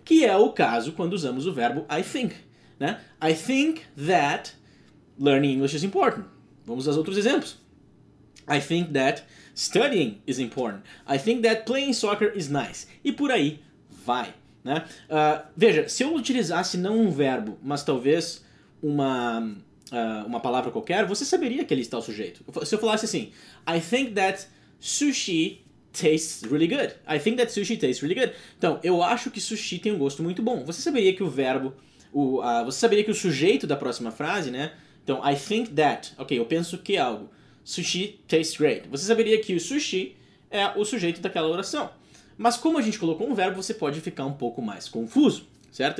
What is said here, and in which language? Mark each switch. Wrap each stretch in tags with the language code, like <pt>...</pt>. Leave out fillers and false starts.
<pt>Que é o caso quando usamos o verbo</pt> <en>I think. Né? I think that learning English is important.</en> <pt>Vamos aos outros exemplos.</pt> <en>I think that studying is important. I think that playing soccer is nice.</en> <pt>E por aí vai, né? Veja, se eu utilizasse não um verbo, mas talvez uma palavra qualquer, você saberia que ali está o sujeito. Se eu falasse assim,</pt> <en>I think that sushi tastes really good. I think that sushi tastes really good.</en> <pt>Então, eu acho que sushi tem um gosto muito bom. Você saberia que o verbo, você saberia que o sujeito da próxima frase, né? Então,</pt> <en>I think that,</en> <pt>ok, eu penso que algo.</pt> <en>Sushi tastes great.</en> <pt>Você saberia que o sushi é o sujeito daquela oração. Mas como a gente colocou um verbo, você pode ficar um pouco mais confuso, certo?</pt>